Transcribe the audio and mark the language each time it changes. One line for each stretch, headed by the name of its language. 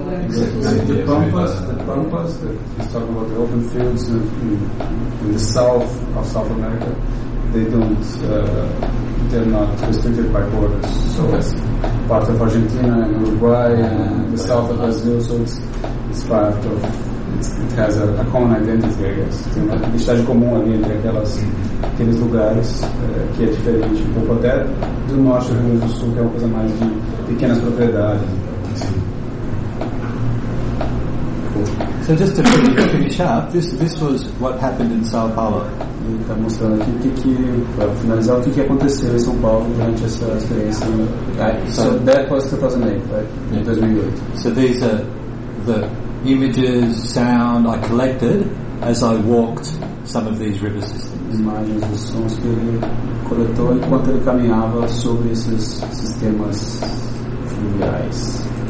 English: The Pampas, he's talking about the open fields in the south of South America, they don't, they're not restricted by borders. So it's part of Argentina and Uruguay and the south of Brazil, so it's part of, it has a common identity, I guess.
Portuguese: Tem uma identidade comum ali entre aqueles lugares que é diferente um pouco até do norte do Rio Grande do Sul, que é uma coisa mais de pequenas propriedades.
English: So just to finish up, this was what happened in São Paulo.
Portuguese: Ele está mostrando aqui para finalizar o que aconteceu em São Paulo durante essa experiência.
English: So that was 2008. So these are the images, sound I collected as I walked some of these river systems.
Portuguese: Imagens e sons que ele coletou enquanto ele caminhava sobre esses sistemas fluviais.